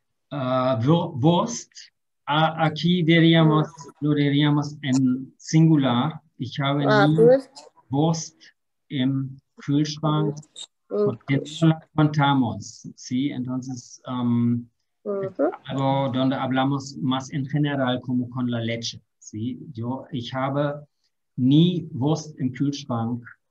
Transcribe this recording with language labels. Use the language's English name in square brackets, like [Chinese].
[Spanish] Wurst, aquí diríamos, lo diríamos en singular. [German] Ich habe Wurst im Kühlschrank. [Spanish] Jetzt contamos, sí, entonces, donde hablamos más en general, como con la leche, sí. [German] Yo, ich habe nie Wurst im Kühlschrank.